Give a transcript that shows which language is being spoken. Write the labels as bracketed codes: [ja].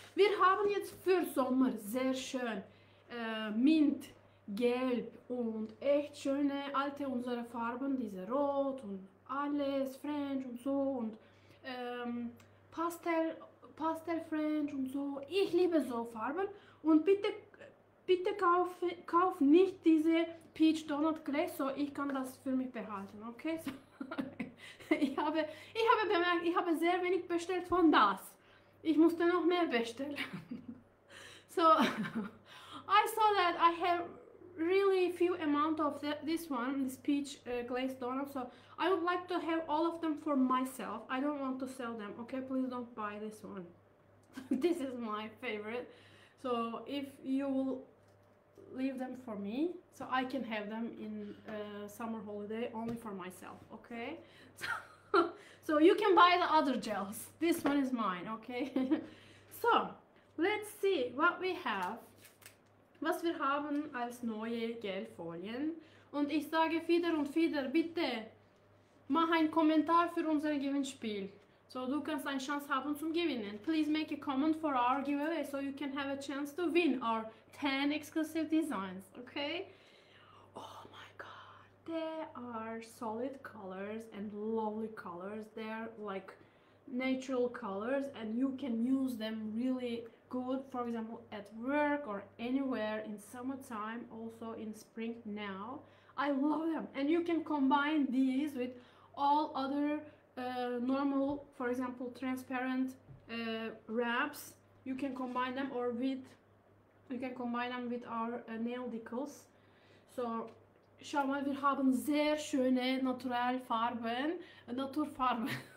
[de] Wir haben jetzt für Sommer sehr schön Mint, Gelb und echt schöne alte unsere Farben, diese Rot und alles, French und so und Pastel French und so. Ich liebe so Farben und bitte kauf nicht diese Peach Donut Gläser, ich kann das für mich behalten, okay? So. Ich habe bemerkt, ich habe sehr wenig bestellt von das. Ich musste noch mehr bestellen. [en] So, I saw that I have really few amount of this one, this Peach Glazed Donut. So, I would like to have all of them for myself. I don't want to sell them, okay? Please don't buy this one. This is my favorite. So, if you will leave them for me, so I can have them in summer holiday only for myself, okay? So you can buy the other gels. This one is mine, okay? So let's see what we have. [de] Was wir haben als neue Gelfolien. Und ich sage wieder und wieder, bitte mach einen Kommentar für unser Gewinnspiel. So du kannst eine Chance haben zum Gewinnen. [en] Please make a comment for our giveaway so you can have a chance to win our 10 exclusive designs, okay? They are solid colors and lovely colors. They are like natural colors and you can use them really good, for example, at work or anywhere in summertime, also in spring now. I love them. And you can combine these with all other normal, for example, transparent wraps. You can combine them or with you can combine them with our nail decals. [de] So, schau mal, wir haben sehr schöne Naturalfarben, Naturfarben.